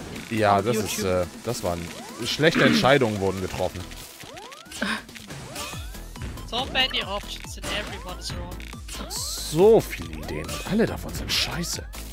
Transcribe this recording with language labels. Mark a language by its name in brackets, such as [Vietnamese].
[German] Ja, das YouTube. Ist, das waren schlechte Entscheidungen wurden getroffen. [English] So many options and everyone is wrong. [German] So viele Ideen und alle davon sind scheiße.